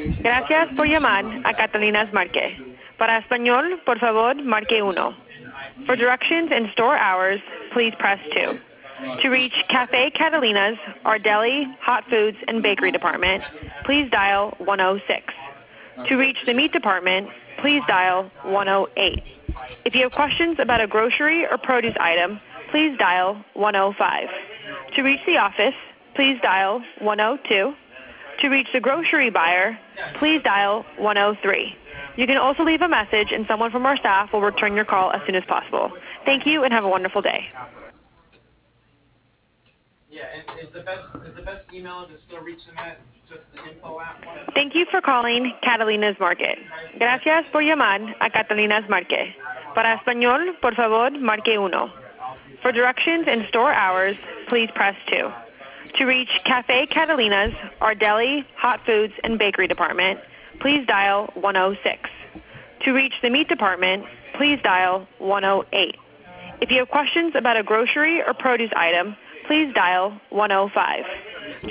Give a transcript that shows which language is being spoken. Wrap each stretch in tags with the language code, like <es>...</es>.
<es>Gracias por llamar a Catalina's Market. Para español, por favor, marque uno.</es> <en>For directions and store hours, please press two. To reach Cafe Catalina's, our deli, hot foods, and bakery department, please dial 106. To reach the meat department, please dial 108. If you have questions about a grocery or produce item, please dial 105. To reach the office, please dial 102. To reach the grocery buyer, please dial 103. You can also leave a message and someone from our staff will return your call as soon as possible. Thank you and have a wonderful day. Thank you for calling Catalina's Market.</en> <es>Gracias por llamar a Catalina's Market. Para español, por favor, marque uno.</es> <en>For directions and store hours, please press two. To reach Cafe Catalina's, our deli, hot foods, and bakery department, please dial 106. To reach the meat department, please dial 108. If you have questions about a grocery or produce item, please dial 105.</en>